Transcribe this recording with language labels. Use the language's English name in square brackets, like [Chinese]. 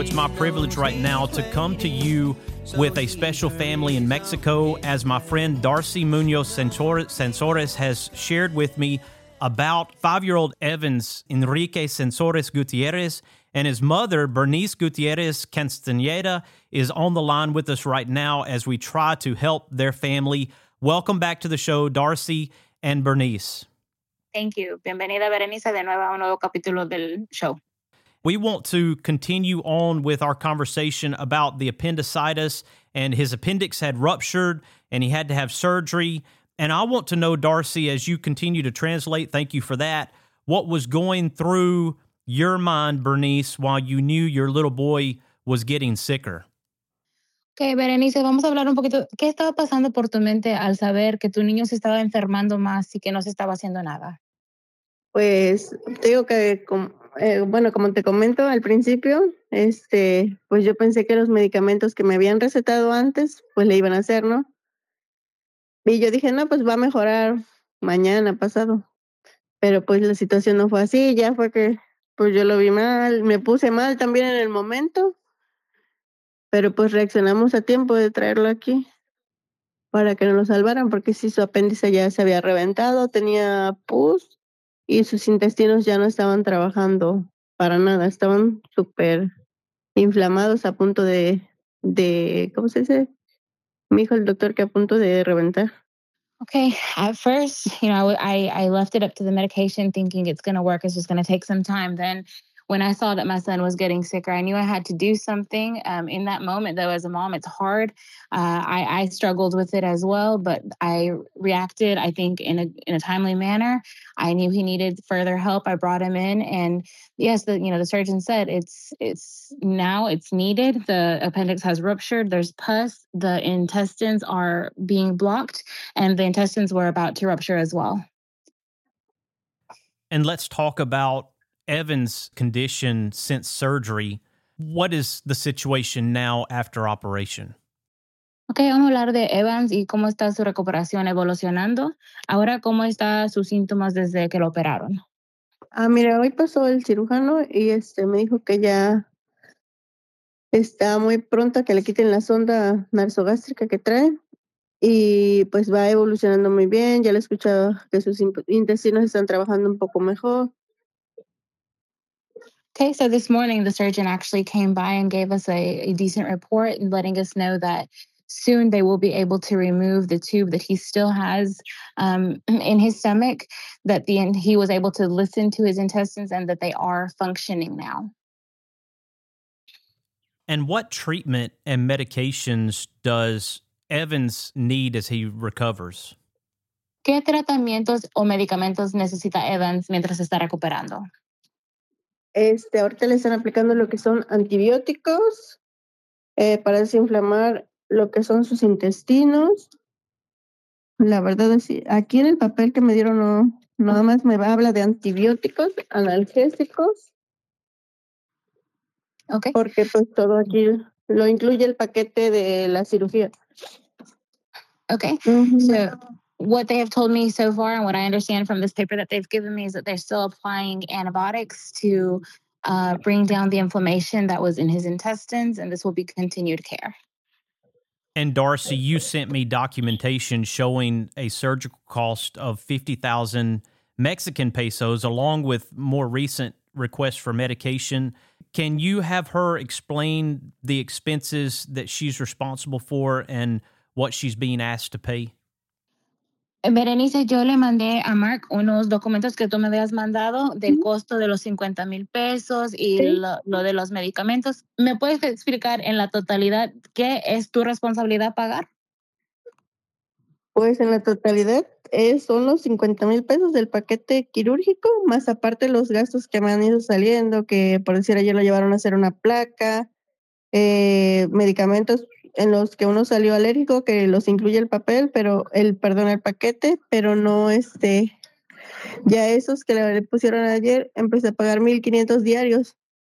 [English] It's my privilege right now to come to you with a special family in Mexico as my friend Darcy Munoz-Sensores has shared with me about five-year-old Evans Enrique Sensores Gutierrez, and his mother, Bernice Gutierrez Castaneda, is on the line with us right now as we try to help their family. Welcome back to the show, Darcy and Bernice. Thank you. [Spanish] Bienvenida, Berenice, de nuevo a un nuevo capítulo del show. [English] We want to continue on with our conversation about the appendicitis, and his appendix had ruptured and he had to have surgery. And I want to know, Darcy, as you continue to translate, thank you for that, what was going through your mind, Bernice, while you knew your little boy was getting sicker? [Spanish] Ok, Berenice, vamos a hablar un poquito. ¿Qué estaba pasando por tu mente al saber que tu niño se estaba enfermando más y que no se estaba haciendo nada? Pues, tengo que, como te comento al principio, pues yo pensé que los medicamentos que me habían recetado antes, pues le iban a hacer, ¿no? Y yo dije, no, pues va a mejorar mañana, pasado. Pero pues la situación no fue así, ya fue que pues yo lo vi mal, me puse mal también en el momento. Pero pues reaccionamos a tiempo de traerlo aquí para que no lo salvaran, porque si su apéndice ya se había reventado, tenía pus y sus intestinos ya no estaban trabajando para nada, estaban súper inflamados a punto de, ¿cómo se dice? Me dijo el doctor que a punto de reventar. [English] Okay, at first, you know, I left it up to the medication thinking it's going to work, it's just going to take some time. Then when I saw that my son was getting sicker, I knew I had to do something. In that moment, though, as a mom, it's hard. I struggled with it as well, but I reacted, I think, in a timely manner. I knew he needed further help. I brought him in. And yes, the surgeon said it's now it's needed. The appendix has ruptured. There's pus. The intestines are being blocked, and the intestines were about to rupture as well. And let's talk about Evan's condition since surgery. What is the situation now after operation? [Spanish] Okay, vamos a hablar de Evans y cómo está su recuperación evolucionando. Ahora, ¿cómo están sus síntomas desde que lo operaron? Ah, mira, hoy pasó el cirujano y me dijo que ya está muy pronto a que le quiten la sonda nasogástrica que trae. Y pues va evolucionando muy bien. Ya le he escuchado que sus intestinos están trabajando un poco mejor. [English] Okay, so this morning the surgeon actually came by and gave us a decent report and letting us know that soon they will be able to remove the tube that he still has in his stomach, that he was able to listen to his intestines and that they are functioning now. And what treatment and medications does Evans need as he recovers? [Spanish] ¿Qué tratamientos o medicamentos necesita Evans mientras está recuperando? Ahorita le están aplicando lo que son antibióticos para desinflamar lo que son sus intestinos. La verdad es que aquí en el papel que me dieron no, nada más me habla de antibióticos analgésicos. [English] Okay. [Spanish] Porque pues todo aquí lo incluye el paquete de la cirugía. [English] Okay. Mm-hmm. What they have told me so far and what I understand from this paper that they've given me is that they're still applying antibiotics to bring down the inflammation that was in his intestines, and this will be continued care. And Darcy, you sent me documentation showing a surgical cost of 50,000 Mexican pesos along with more recent requests for medication. Can you have her explain the expenses that she's responsible for and what she's being asked to pay? [Spanish] Berenice, yo le mandé a Mark unos documentos que tú me habías mandado del costo de los 50 mil pesos y lo de los medicamentos. ¿Me puedes explicar en la totalidad qué es tu responsabilidad pagar? Pues en la totalidad son los 50 mil pesos del paquete quirúrgico, más aparte los gastos que me han ido saliendo, que por decir ayer lo llevaron a hacer una placa, medicamentos en los que uno salió alérgico, que los incluye el papel, el paquete, pero no ya esos que le pusieron ayer, empecé a pagar 1,500 diarios.